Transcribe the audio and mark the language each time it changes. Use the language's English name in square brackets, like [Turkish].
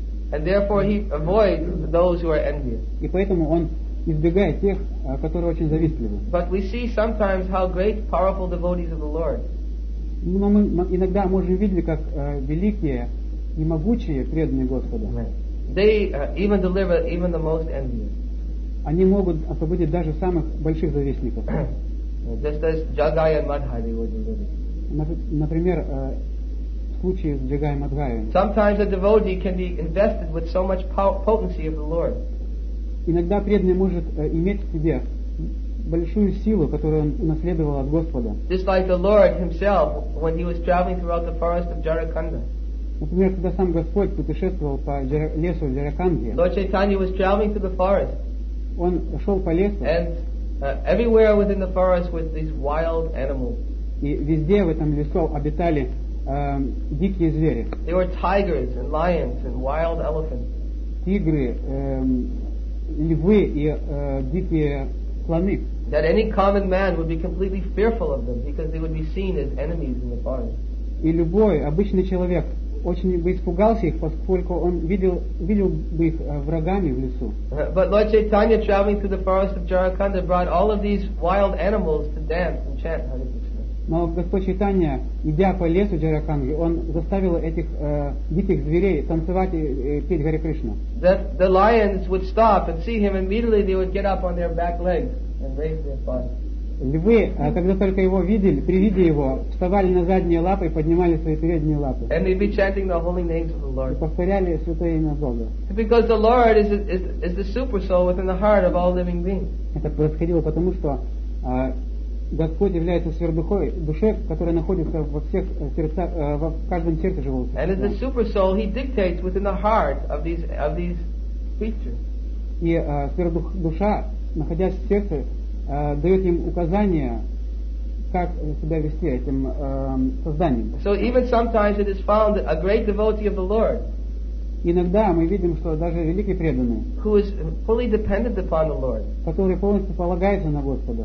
[English] And therefore he avoids those who are envious. [Russian] И поэтому он избегает тех, которые очень завистливы. [English] But we see sometimes how great, powerful devotees of the Lord. [Russian] Но мы иногда можем видеть, как великие и могучие преданные Господа. [English] They even deliver even the most envious. [Russian] Они могут освободить даже самых больших завистников. [English] Just as Jagaya and Madhaya they would deliver. [Russian] Например, в случае с Jagaya and Madhaya. [English] Sometimes a devotee can be invested with so much potency of the Lord. [Russian] Иногда преданный может иметь в себе большую силу, которую он унаследовал от Господа. [English] Just like the Lord himself when he was traveling throughout the forest of Jarakanda. [Russian] Например, когда сам Господь путешествовал по лесу в Джараканде. [English] Lord Chaitanya was traveling through the forest. [Russian] Он шел по лесу. [English] And everywhere within the forest were these wild animals. [Russian] И везде в этом лесу обитали дикие звери. [English] There were tigers and lions and wild elephants. [Russian] Тигры, львы и дикие слоны. [English] That any common man would be completely fearful of them because they would be seen as enemies in the forest. [Russian] И любой обычный человек очень бы испугался их, поскольку он видел бы их врагами в лесу. [English] But Lord Chaitanya traveling through the forest of Jarakanda brought all of these wild animals to dance and chant Hare Krishna. [Russian] Но Господь Чайтанья, идя по лесу Джараканды, он заставил этих диких зверей танцевать и петь Харе Кришну. [English] The lions would stop and see him, immediately they would get up on their back legs and raise their paws. [Russian] Львы, когда только его видели, при виде его, вставали на задние лапы и поднимали свои передние лапы. [English] And they'd be chanting the holy names of the Lord. [Russian] И повторяли святое имя Бога. [English] Because the Lord is the super soul within the heart of all living beings. [Russian] Это происходило потому, что Господь является сверхдухой, душой, которая находится во всех сердцах, во каждом сердце живого существа. [English] And as the super soul, he dictates within the heart of these creatures. [Russian] И сверхдуша, находясь в сердце, дает им указания, как себя вести этим созданием. [English] So even sometimes it is found that a great devotee of the Lord, [Russian] иногда мы видим, что даже великий преданный, [English] who is fully dependent upon the Lord, [Russian] который полностью полагается на Господа,